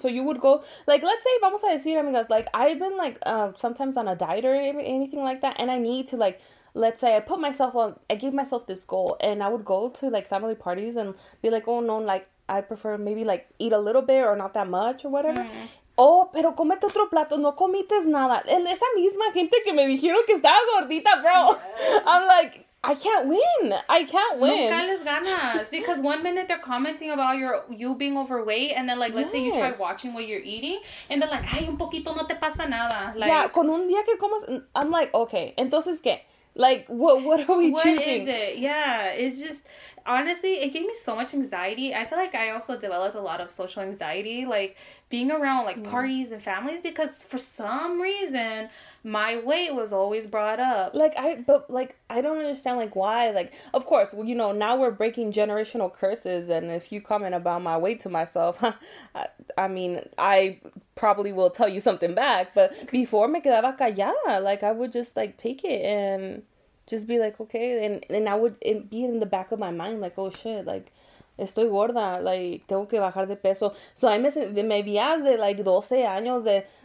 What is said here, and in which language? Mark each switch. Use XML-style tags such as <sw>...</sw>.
<en>So you would go, like, let's say,</en> <es>vamos a decir, amigas,</es> <en>like, I've been, like, sometimes on a diet or anything like that, and I need to, like, let's say I gave myself this goal, and I would go to, like, family parties and be like, oh, no, like, I prefer maybe, like, eat a little bit or not that much or whatever. Mm.</en> <es>Oh, pero comete otro plato, no comites nada. And esa misma gente que me dijeron que estaba gordita, bro. Yes.</es> <en>I'm like... I can't win.</en> <es>Nunca les ganas.</es> <en>Because one minute they're commenting about you being overweight, and then, like, let's say you try watching what you're eating, and they're like,</en> <es>ay, un poquito no te pasa nada.</es> <en>Like, yeah,</en> <es>con un día que comas,</es> <en>I'm like, okay,</en> <es>entonces qué?</es> <en>Like, what are we choosing? What is it? Yeah, it's just, honestly, it gave me so much anxiety. I feel like I also developed a lot of social anxiety, like, being around, like, parties and families, because for some reason... My weight was always brought up. Like, I don't understand, like, why. Like, of course, well, you know, now we're breaking generational curses. And if you comment about my weight to myself, I mean, I probably will tell you something back. But before,</en> <es>me quedaba callada.</es> <en>Like, I would just, like, take it and just be like, okay. And I would be in the back of my mind, like, oh, shit, like...</en> <es>Estoy gorda, like, tengo que bajar de peso. So, I me vias de, like, 12 años de</es>